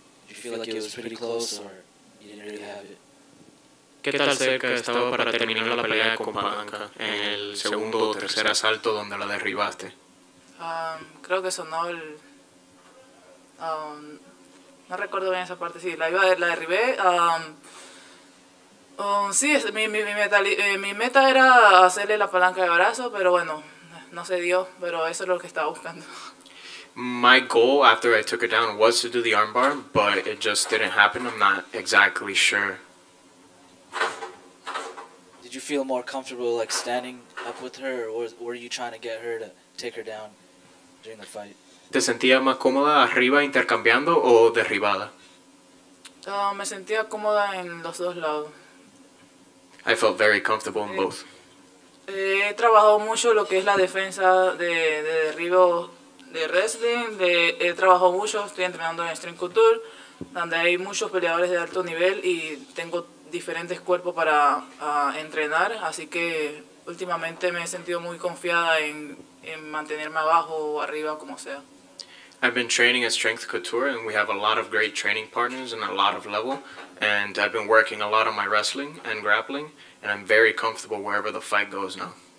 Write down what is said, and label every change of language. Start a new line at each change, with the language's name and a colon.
English: Did you feel like it was pretty close or you didn't really have it?
Spanish: ¿Qué tal cerca estaba para terminar la pelea con Palanca en el segundo o tercer asalto donde la derribaste? Creo que sonó el... no recuerdo bien esa parte. Sí, la derribé. Sí, mi meta era hacerle la palanca de brazo, pero bueno, no se dio, pero eso es lo que estaba buscando.
English: My goal after I took her down was to do the armbar, but it just didn't happen. I'm not exactly sure. Did you feel more comfortable like standing up with her, or were you trying to get her to take her down during the fight?
Spanish: ¿Te sentías más cómoda arriba intercambiando o derribada? Me sentía cómoda en los dos lados.
English: I felt very comfortable in both.
Spanish: He trabajado mucho lo que es la defensa de derribo de wrestling. He trabajado mucho, estoy entrenando en Extreme Couture, donde hay muchos peleadores de alto nivel y tengo diferentes cuerpos para entrenar. Así que últimamente me he sentido muy confiada en mantenerme abajo o arriba, como sea.
English: I've been training at Strength Couture, and we have a lot of great training partners and a lot of level. And I've been working a lot on my wrestling and grappling, and I'm very comfortable wherever the fight goes now.